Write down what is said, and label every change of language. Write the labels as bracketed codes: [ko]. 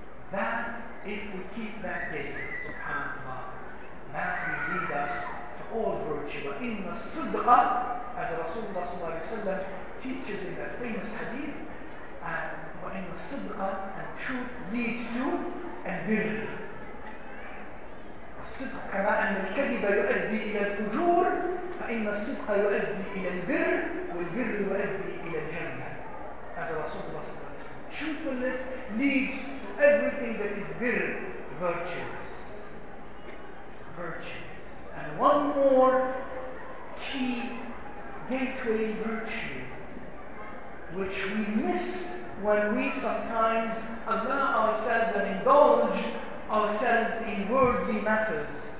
[en] That, if we keep that gate, subhanAllah, that will lead us to all virtue. Inna as-sidqa, as Rasulullah sallallahu alayhi wa sallam teaches in that famous hadith, [ar] wa inna as-sidqa, [en] and truth leads to al-birr. [ar] الصدق كما أن الكذب يؤدي إلى الفجور فإن الصدق يؤدي إلى البر والبر يؤدي إلى الجنة as رسول الله صلى الله عليه وسلم. [en] Truthfulness leads to everything that is birr, virtues. Virtues. And one more key gateway virtue which we miss when we sometimes allow ourselves and indulge ourselves in worldly matters.